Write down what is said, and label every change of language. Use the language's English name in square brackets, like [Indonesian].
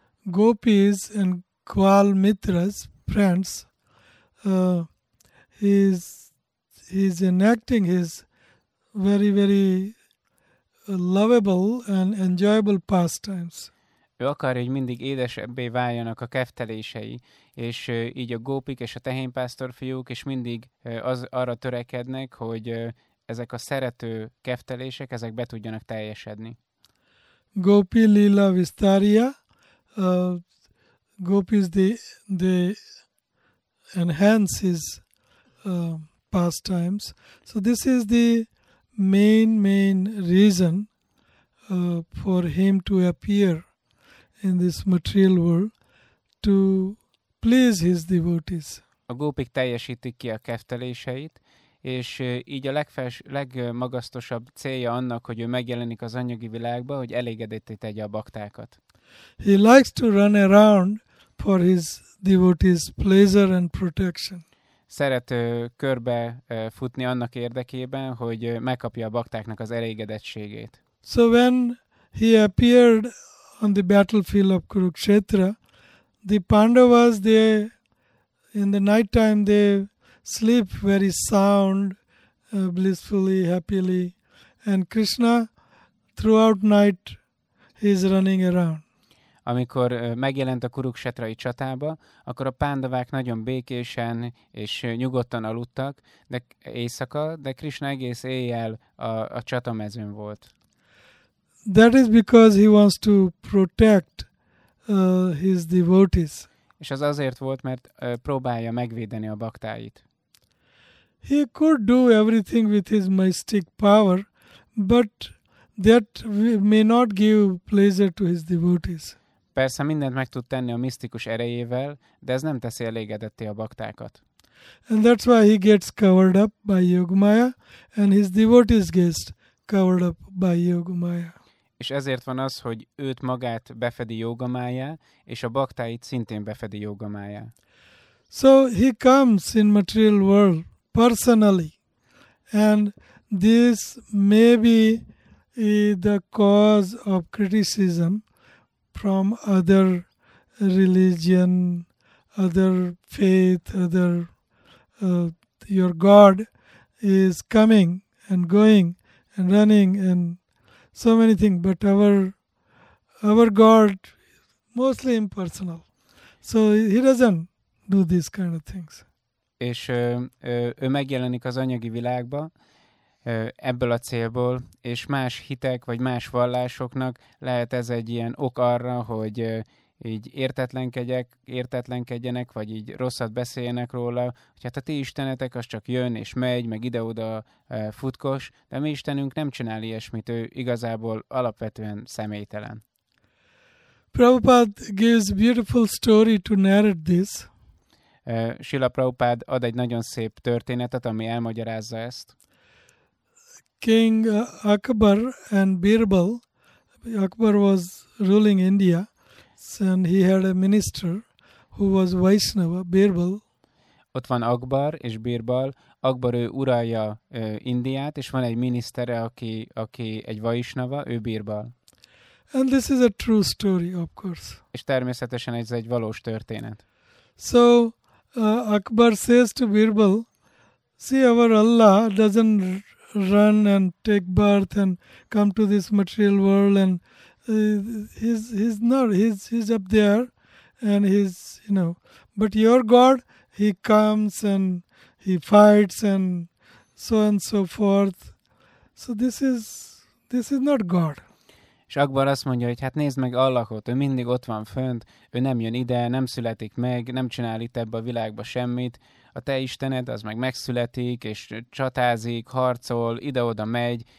[English] Gopis and Gwal Mitras, friends, he's enacting his very, very lovable and enjoyable pastimes. [Hungarian] Ő akarja, hogy mindig édesebbé váljanak a keftelései, és így a gópik és a tehénpásztor fiúk, és mindig arra törekednek, hogy ezek a szerető keftelések, ezek be tudjanak teljesedni. [English] Gopi Lila Vistaria, gopis, they enhance his pastimes. So this is the main reason for him to appear in this material world, to please his devotees. [Hungarian] A gópik teljesítik ki a kefteléseit, és így a legmagasztosabb célja annak, hogy ő megjelenik az anyagi világba, hogy elégedetté tegye a baktákat. [English] He likes to run around for his devotees' pleasure and protection. [Hungarian] Szeret körbe futni annak érdekében, hogy megkapja a baktáknak az elégedettségét. [English] So when he appeared on the battlefield of Kurukshetra, the Pandavas, they in the night time they sleep very sound, blissfully, happily, and Krishna throughout night he is running around. [Hungarian] Amikor megjelent a Kurukshetrai csatába, akkor a Pandavák nagyon békésen és nyugodtan aludtak, de éjszaka, de Krishna egész éjjel a csatamezőn volt. [English] That is because he wants to protect his devotees. [Hungarian] És az azért volt, mert próbálja megvédeni a baktáit. [English] He could do everything with his mystic power, but that may not give pleasure to his devotees. [Hungarian] Persze mindent meg tud tenni a misztikus erejével, de ez nem teszi elégedetté a baktákat. [English] And that's why he gets covered up by Yogamaya, and his devotees get covered up by Yogamaya. [Hungarian] És ezért van az, hogy őt magát befedi Yogamaya, és a baktáit szintén befedi Yogamaya. [English] So he comes in material world personally, and this may be the cause of criticism from other religion, other faith, other your God is coming and going and running and so many things, but our God mostly impersonal, so he doesn't do these kind of things. [Hungarian] És ő megjelenik az anyagi világba ebből a célból, és más hitek vagy más vallásoknak lehet ez egy ilyen ok arra, hogy így értetlenkedjenek, vagy így rosszat beszéljenek róla, hogy hát a ti istenetek az csak jön és megy, meg ide-oda futkos, de mi istenünk nem csinál ilyesmit, ő igazából alapvetően személytelen. [English] Prabhupada gives beautiful story to narrate this. [Hungarian] Srila Prabhupada ad egy nagyon szép történetet, ami elmagyarázza ezt. [English] King Akbar and Birbal. Akbar was ruling India, and he had a minister who was Vaishnava, Birbal. [Hungarian] Ott van Akbar és Birbal. Akbar ő uralja Indiát, és van egy minisztere, aki egy Vaishnava, ő Birbal. [English] And this is a true story, of course. [Hungarian] És természetesen ez egy valós történet. [English] So Akbar says to Birbal, "See, our Allah doesn't run and take birth and come to this material world, and he's up there, and he's, you know, but your God, he comes and he fights and so forth. So this is not God." [Hungarian] És Akbar azt mondja, hogy hát nézd meg Allahot, ő mindig ott van fönt, ő nem jön ide, nem születik meg, nem csinál itt ebbe a világba semmit. A te istened, az meg megszületik, és csatázik, harcol, ide-oda megy.